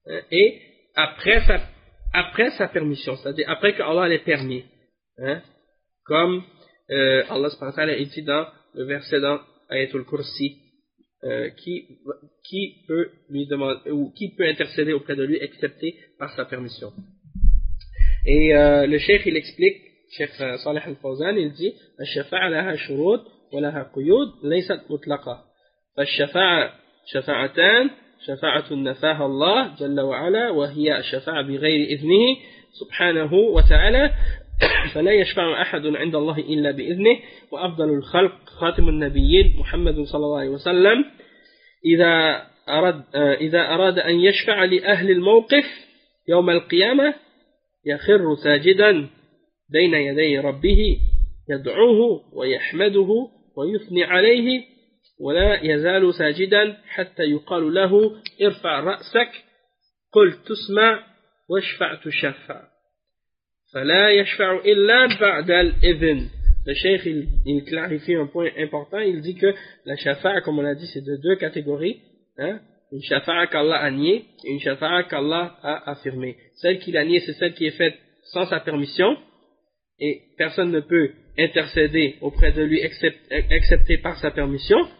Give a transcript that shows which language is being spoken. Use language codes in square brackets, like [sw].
[fr] Et après sa permission, c'est-à-dire après qu'Allah l'ait permis, comme Allah subhanahu wa ta'ala a dit dans le verset dans Ayatul Kursi, qui peut lui demander ou qui peut intercéder auprès de lui excepté par sa permission. Et le cheikh il explique. Cheikh Saleh Al-Fawzan, il dit, [ar] الشفاعه لها شروط ولها قيود ليست مطلقه فالشفاعه شفاعتان شفاعه نفاها الله جل وعلا وهي الشفاعه بغير اذنه سبحانه وتعالى فلا يشفع احد عند الله الا باذنه وافضل الخلق خاتم النبيين محمد صلى الله عليه وسلم اذا اراد ان يشفع لاهل الموقف يوم القيامه يخر ساجدا بين يدي ربه يدعوه ويحمده ويثني عليه ولا يزال ساجدا حتى يقال له ارفع رأسك قل تسمع واشفع تشفع فلا يشفع إلا بعد الإذن. [fr] Le cheikh il clarifie un point important. Il dit que la shafa'a, comme on l'a dit, c'est de deux catégories, une shafa'a qu'Allah a nié et une shafa'a qu'Allah a affirmé. Celle qu'il a nié, c'est celle qui est faite sans sa permission. Et personne ne peut intercéder auprès de lui excepté par sa permission.